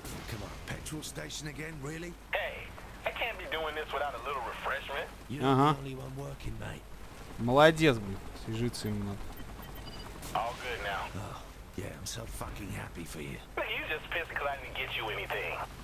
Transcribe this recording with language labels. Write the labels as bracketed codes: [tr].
[en] Come on, petrol station again, really? Hey, I can't be doing this without a little refreshment. You're the only one working, mate. [ru] Молодец, блин, свяжиться ему надо. [en] All good now. Yeah, I'm so fucking happy for you. Look, you just pissed because I didn't get you anything.